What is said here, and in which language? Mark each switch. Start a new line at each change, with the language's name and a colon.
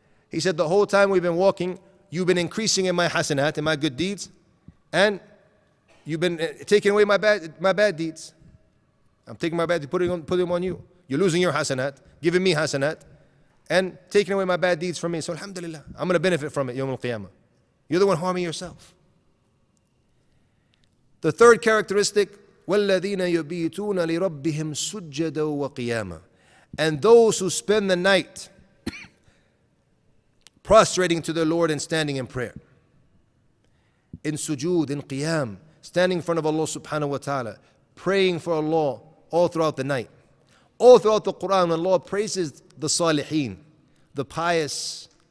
English: He said, the whole time we've been walking, you've been increasing in my hasanat, in my good deeds, and you've been taking away my bad deeds. I'm taking my bad deeds, putting them on you. You're losing your hasanat, giving me hasanat, and taking away my bad deeds from me. So alhamdulillah, I'm going to benefit from it, yawm al-qiyamah. You're the one harming yourself. The third characteristic,
Arabic: وَالَّذِينَ يُبِيتُونَ لِرَبِّهِمْ سُجَّدًا وَقِيَامًا.
English: And those who spend the night prostrating to their Lord and standing in prayer. In sujood, in qiyam, standing in front of Allah subhanahu wa ta'ala, praying for Allah all throughout the night. All throughout the Quran, Allah praises the salihin, the pious.